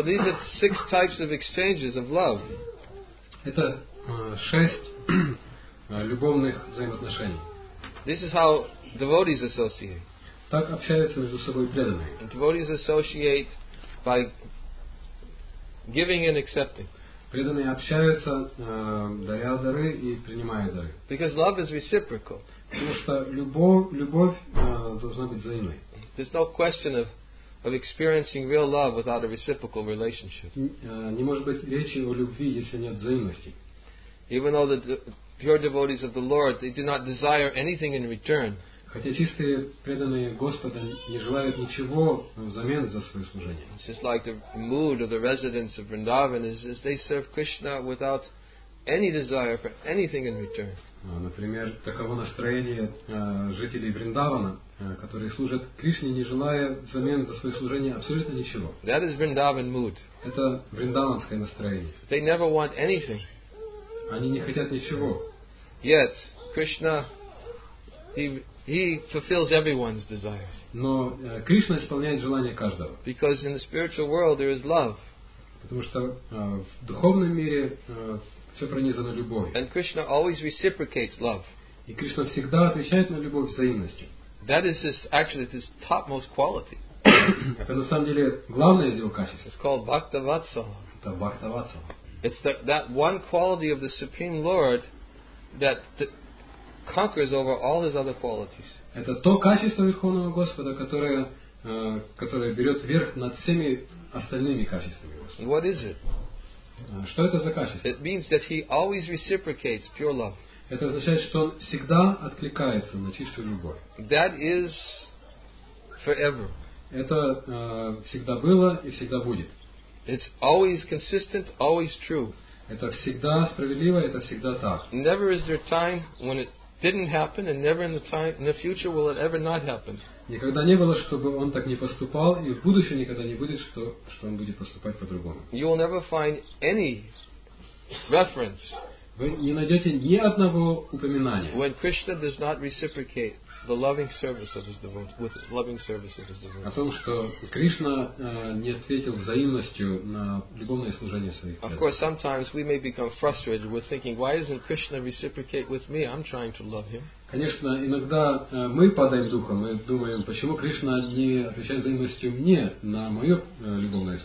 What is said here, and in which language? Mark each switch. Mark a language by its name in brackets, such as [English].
[English] these are six types of exchanges of love. [Russian] Это шесть любовных взаимоотношений. [English] This is how devotees associate. [Russian] Так общаются между собой преданные. [English] And devotees associate by giving and accepting. [Russian] Преданные общаются, даря дары и принимая дары. [English] Because love is reciprocal. [Russian] Потому что любовь должна быть взаимной. [English] There's no question of experiencing real love without a reciprocal relationship. [Russian] Не может быть речи о любви, если нет взаимности. [English] Even though the pure devotees of the Lord, they do not desire anything in return. [Russian] Хотя чистые преданные Господа не желают ничего взамен за свое служение. [English] It's just like the mood of the residents of Vrindavan is they serve Krishna without any desire for anything in return. [Russian] Например, таково настроение жителей Вриндавана, которые служат Кришне, не желая взамен за свое служение абсолютно ничего. [English] That is Vrindavan mood. [Russian] Это вриндаванское настроение. [English] They never want anything. [Russian] Они не хотят ничего. [English] Yet Krishna, He fulfills everyone's desires. [Russian] Но Кришна исполняет желания каждого. [English] Because in the spiritual world there is love. [Russian] Потому что в духовном мире все пронизано любовью. [English] And Krishna always reciprocates love. [Russian] И Кришна всегда отвечает на любовь взаимностью. [English] That is his, actually his topmost quality. [Russian] Это на самом деле главное из его качеств. [English] It's called Bhakta Vatsala. [Russian] Это Бхакта Ватсала. [English] It's that one quality of the Supreme Lord that conquers over all his other qualities. [Russian] Это то качество Верховного Господа, которое берет верх над всеми остальными качествами Господа. [English] What is it? [Russian] Что это за качество? [English] It means that he always reciprocates pure love. [Russian] Это означает, что он всегда откликается на чистую любовь. [English] That is forever. [Russian] Это всегда было и всегда будет. [English] It's always consistent, always true. [Russian] Это всегда справедливо, это всегда так. [English] Never is there time when it didn't happen, and never in the future will it ever not happen. [Russian] Никогда не было, чтобы он так не поступал, и в будущем никогда не будет, что он будет поступать по-другому. [English] You will never find any reference. [Russian] Вы не найдете ни одного упоминания. [English] When Krishna does not reciprocate the loving service of his devotees, with loving service of his devotees. [Russian] О том, что Кришна не ответил взаимностью на любовное служение своих преданных. [English] Of course, sometimes we may become frustrated. We're thinking, why isn't Krishna reciprocate with me? I'm trying to love him. [Russian] Конечно, иногда мы падаем духом, мы думаем, почему Кришна не отвечает взаимностью мне на мое любовное служение.